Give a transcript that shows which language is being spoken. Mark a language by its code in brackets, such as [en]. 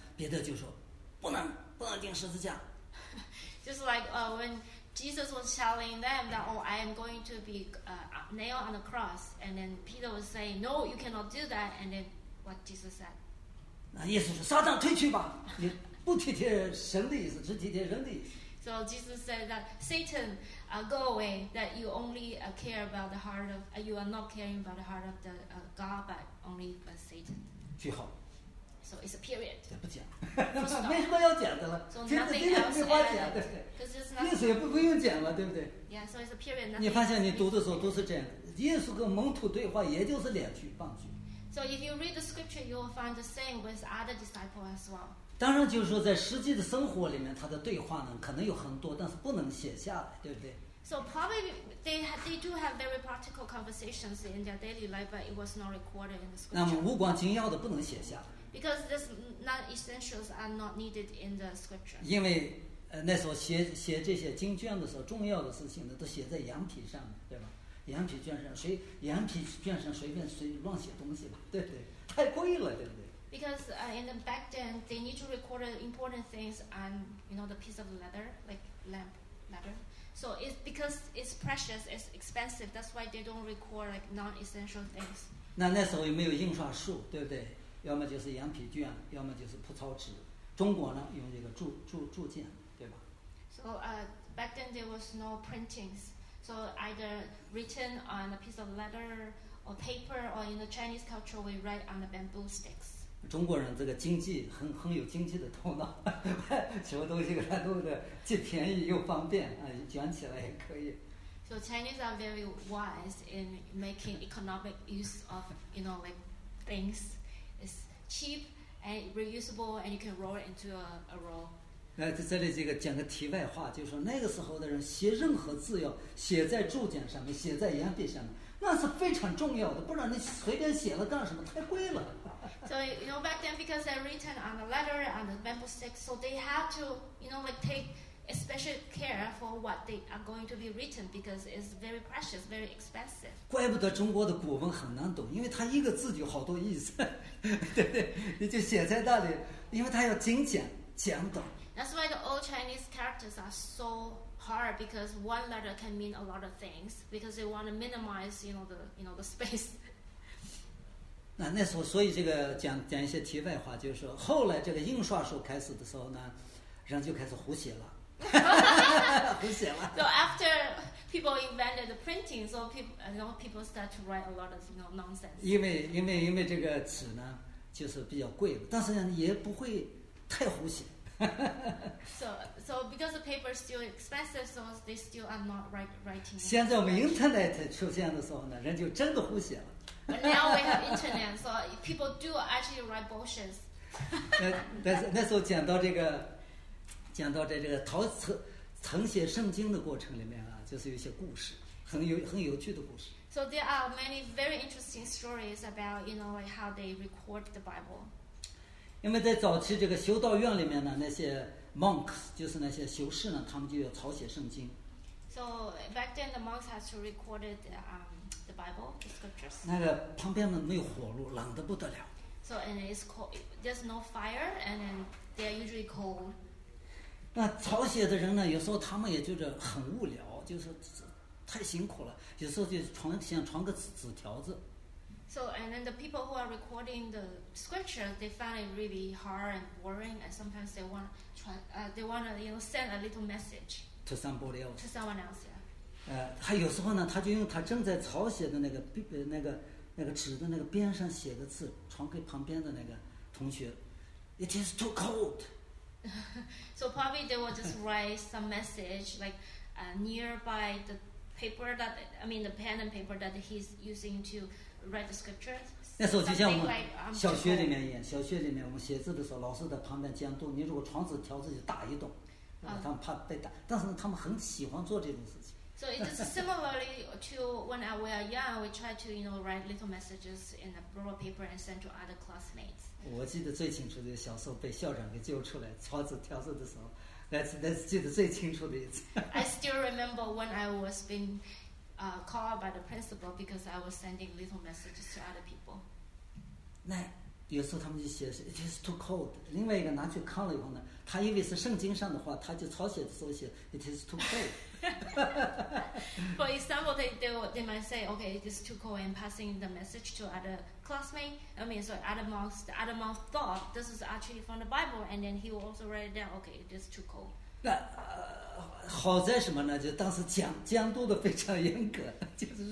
[zh] 彼得就说，不能钉十字架。 [en] Just like when Jesus was telling them that, oh, I am going to be nailed on the cross. And then Peter was saying, no, you cannot do that. And then what Jesus said? [zh] 那耶稣说，撒旦退去吧，你不体贴神的意思，只体贴人的意思。 [en] So Jesus said that, Satan, go away, that you only care about the heart of, you are not caring about the heart of the God, but only Satan. [zh] 句号。 [en] So it's a period. [zh] 不讲，没什么要讲的了。 [en] So nothing else. [zh] 没法讲，对不对？意思也不用讲了，对不对？ [en] Yeah. So it's a period. [zh] 你发现你读的时候都是这样，耶稣跟门徒对话也就是两句半句。 [en] So if you read the scripture, you will find the same with other disciples as well. [zh] 当然就是说在实际的生活里面，他的对话呢可能有很多，但是不能写下来，对不对？ [en] So probably they do have very practical conversations in their daily life, but it was not recorded in the scripture. [zh] 那么无关紧要的不能写下。 [en] Because this non-essentials are not needed in the scripture. [zh] 因为那时候写这些经卷的时候，重要的事情呢都写在羊皮上面，对吧？羊皮卷上，谁羊皮卷上随便乱写东西吧，对对，太贵了，对不对？ [en] Because in the back then, they need to record important things on, you know, the piece of leather, like lamp leather. So it's because it's precious, it's expensive. That's why they don't record like non-essential things. [zh] 那时候又没有印刷术，对不对？要么就是羊皮卷，要么就是蒲草纸。中国呢，用这个铸件，对吧 [en] ？So back then there was no printings. So either written on a piece of leather or paper, or in the Chinese culture, we write on the bamboo sticks. [zh] 中国人这个经济很有经济的头脑，什么东西给他弄的既便宜又方便啊，卷起来也可以。 [en] So Chinese are very wise in making economic use of, you know, like things. It's cheap and reusable, and you can roll it into a roll. [zh] 那在这里这个讲个题外话，就是说那个时候的人写任何字要写在铸件上面，写在羊皮上面，那是非常重要的，不然你随便写了干什么？太贵了。 [en] So you know back then because they're written on a letter on the bamboo stick, so they have to you know like take special care for what they are going to be written because it's very precious, very expensive. [zh] 怪不得中国的古文很难懂，因为它一个字就好多意思，对对，你就写在那里，因为它要精简简短。 [en] That's why the old Chinese characters are so hard because one letter can mean a lot of things because they want to minimize, you know, the space. [zh] 那时候，所以这个讲一些题外话，就是说后来这个印刷术开始的时候呢，人就开始胡写了。 [en] So after people invented the printing, so people start to write a lot of you know, nonsense. [zh] 因为这个纸呢，就是比较贵，但是也不会太胡写。 [en] So because the paper is still expensive, so they still are not writing. [zh] 现在我们 internet 出现的时候呢，人就真的胡写了。 [en] And now we have internet, so people do actually write bullshit. [zh] 那时候讲到这个。讲到在这个誊写圣经的过程里面啊，就是有一些故事，很有趣的故事。 [en] So there are many very interesting stories about, you know, like how they record the Bible. [zh] 因为在早期这个修道院里面呢，那些monks 就是那些修士呢，他们就要抄写圣经。 [en] So back then the monks had to record the Bible, the scriptures. [zh] 那个旁边呢没有火炉，冷得不得了。 [en] So and it's cold. There's no fire, and they are usually cold. [zh] 那抄写的人呢，有时候他们也觉得很无聊，就是太辛苦了，有时候就想传个纸条子。 [en] So and then the people who are recording the scriptures, they find it really hard and boring, and sometimes they want to send a little message to somebody else. To someone else, yeah. [zh] 他有时候呢，他就用他正在抄写的那个纸的那个边上写的字传给旁边的那个同学。 [en] It is too cold. So probably they will just write some message like nearby the paper that I mean the pen and paper that he's using to. Read the scriptures. [zh] 那时候就像我们小学里面一样，小学里面我们写字的时候，老师在旁边监督。你如果传纸条，自己打一洞，他们怕被打。但是呢，他们很喜欢做这种事情。 [en] So it's similarly to when we are young, we try to you know write little messages in a blue paper and send to other classmates. [zh] 我记得最清楚的，小时候被校长给救出来传纸条子的时候，那是记得最清楚的一次。 [en] I still remember when I was beingcalled by the principal because I was sending little messages to other people. [zh] 那有时候他们就写 [en] it is too cold. [zh] 另外一个拿去看了以后呢，他以为是圣经上的话，他就抄写的时候写 it is too cold. [en] For example, they might say, okay, it is too cold, and passing the message to other classmate. I mean, so other monks thought this is actually from the Bible, and then he will also write it down. Okay, it is too cold. [zh] 那好在什么呢？就当时监督的非常严格，就是。